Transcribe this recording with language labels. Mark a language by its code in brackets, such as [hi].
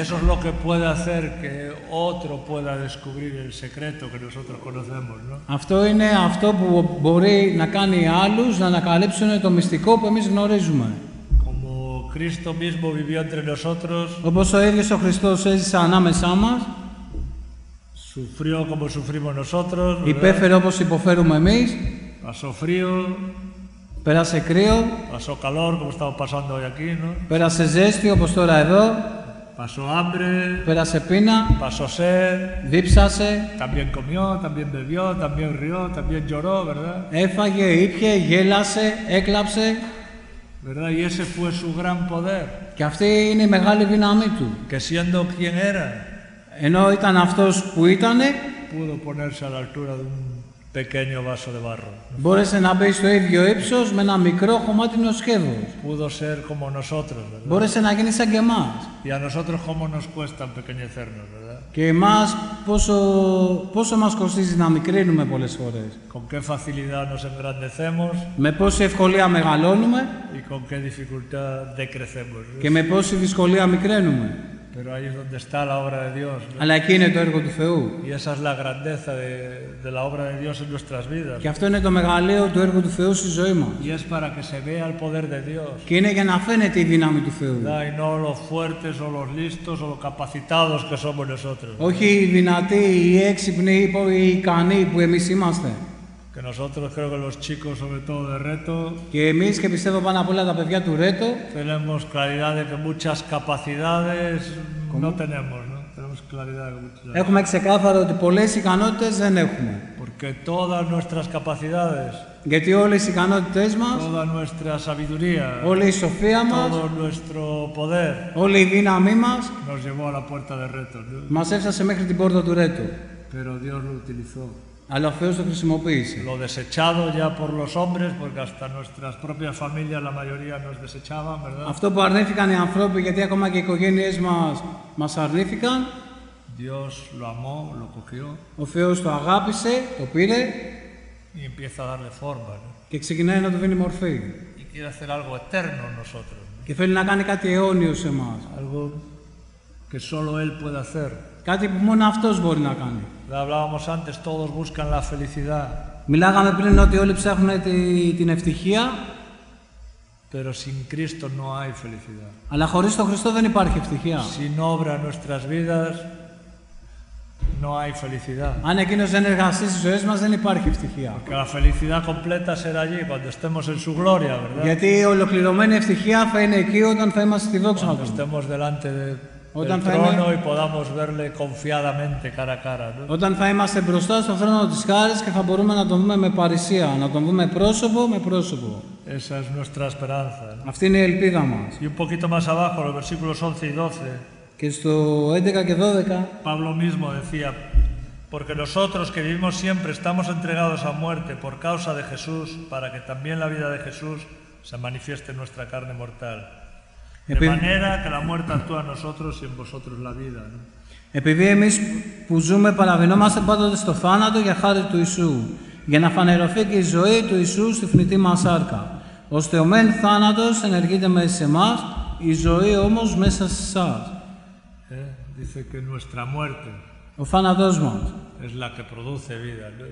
[es] Eso es lo que puede hacer que otro pueda descubrir el secreto que nosotros conocemos, ¿no? [el] Αυτό είναι αυτό που μπορεί να κάνει άλλους να ανακαλύψουν το μυστικό που εμείς γνωρίζουμε. [es] Como Cristo mismo vivió entre nosotros. [el] Όπως ο ίδιος ο Χριστός έζησε ανάμεσά μας. [es] Sufrió como sufrimos nosotros. [el] Υπέφερε όπως υποφέρουμε εμείς. [es] Pasó frío. [el] Πέρασε κρύο. [es] Pasó calor como estamos pasando hoy aquí, ¿no? [el] Πέρασε ζέστη όπως τώρα εδώ. [es] Pasó hambre. [el] Πέρασε πείνα. [es] Pasó sed. [el] Δίψασε. [es] También comió, también bebió, también rió, también lloró, ¿verdad? [el] Έφαγε, ήπιε, γέλασε, έκλαψε. [es] ¿Verdad? Y ese fue su gran poder. [el] Και αυτή είναι η μεγάλη δύναμή του. [es] Que siendo quien era. [el] Ενώ ήταν αυτός που ήτανε, [es] pudo ponerse a la altura de un pequeño vaso de barro. [el] Μπόρεσε να μπει στο ίδιο ύψος με ένα μικρό χωμάτινο σκεύος. [es] Pudo ser como nosotros, ¿verdad? [el] Μπόρεσε να γίνει σαν και εμάς. [es] Y a nosotros cómo nos cuesta empequeñecernos, ¿verdad? [el] Και εμάς πόσο μας κοστίζει να μικρύνουμε πολλές φορές. [es] Con qué facilidad nos engrandecemos. [el] Με πόση ευκολία μεγαλώνουμε. [es] Y con qué dificultad decrecemos. [el] Και με πόση δυσκολία μικραίνουμε. [es] Pero ahí es donde está la obra de Dios, ¿no? [el] Αλλά εκεί είναι το έργο του Θεού. [es] Y esa es la grandeza de la obra de Dios en nuestras vidas. [el] Και αυτό είναι το μεγαλείο του έργου του Θεού στη ζωή μας. [es] Y es para que se vea el poder de Dios. [el] Και είναι για να φαίνεται η δύναμη του Θεού. [es] Da, y no los fuertes o los listos o los capacitados que somos nosotros. [el] Όχι οι δυνατοί, οι έξυπνοι, οι ικανοί που εμείς είμαστε. [es] Que nosotros creo que los chicos sobre todo de Reto. [el] Και εμείς και πιστεύω πάνω απ' όλα τα παιδιά του Reto. [es] Tenemos claridad de que muchas capacidades no tenemos, ¿no? Tenemos claridad de que muchas. [el] Έχουμε ξεκάθαρο ότι πολλές ικανότητες δεν έχουμε. [es] Porque todas nuestras capacidades. [el] Γιατί όλες οι ικανότητες μας. [es] Toda nuestra sabiduría. [el] Όλη η σοφία μας. [es] Todo nuestro poder. [el] Όλη η δύναμή μας. [es] Nos llevó a la puerta de Reto. [el] Μας έφτασε μέχρι την πόρτα του Reto. [es] Pero Dios lo utilizó. [el] Αλλά ο Θεός το χρησιμοποίησε. [es] Lo desechado ya por los hombres, porque hasta nuestras propias familias la mayoría nos desechaban, ¿verdad? [el] Αυτό που αρνήθηκαν οι άνθρωποι, γιατί ακόμα και οι οικογένειές μας αρνήθηκαν. [es] Dios lo amó, lo cogió. [el] Ο Θεός το αγάπησε, το πήρε. [es] Y empieza a darle forma, ¿no? [el] Και ξεκινάει να του δίνει μορφή. [es] Y quiere hacer algo eterno nosotros, ¿no? [el] Και θέλει να κάνει κάτι αιώνιο σε εμάς. [es] Algo que solo él puede hacer. [el] Κάτι που μόνο αυτός μπορεί να κάνει. [es] Hablábamos antes, todos buscan la felicidad. [el] Μιλάγαμε πριν ότι όλοι ψάχνουν την ευτυχία. [es] Pero sin Cristo no hay felicidad. [el] Αλλά χωρίς τον Χριστό δεν υπάρχει ευτυχία. [es] Sin obra en nuestras vidas, no hay felicidad. [el] Αν εκείνος δεν εργαστεί στις ζωές μας, δεν υπάρχει ευτυχία. [es] Porque la felicidad completa será allí, cuando estemos en su gloria, ¿verdad? [el] Γιατί η ολοκληρωμένη ευτυχία θα είναι εκεί όταν θα είμαστε στη δόξα του. [es] Estemos delante de [el] όταν θα είναι [es] y podamos verle confiadamente cara a cara, ¿no? [el] Όταν θα είμαστε μπροστά στον θρόνο της χάρης και θα μπορούμε να τον δούμε με παρησία, να τον δούμε πρόσωπο με πρόσωπο. [es] Esa es nuestra esperanza, ¿no? [el] Αυτή είναι η ελπίδα μας. [es] Y un poquito más abajo, los versículos 11 y 12. [el] Και στο 11 και 12. [es] Pablo mismo decía, porque nosotros que vivimos siempre estamos entregados a muerte por causa de Jesús, para que también la vida de Jesús se manifieste en nuestra carne mortal. De manera que la muerte actúa en nosotros y en vosotros la vida. [el] Επειδή εμείς που ζούμε παραβινόμαστε πάντοτε στο θάνατο για χάρη του Ιησού, για να φανερωθεί και η ζωή του Ιησού στη φνητή μας σάρκα. Ώστε ο μεν θάνατος ενεργείται μέσα σε εμάς, η ζωή όμως μέσα σε εσάς. [es] Dice que nuestra muerte. [el] Ο θάνατός μας. [es] Es la que produce vida, ¿no?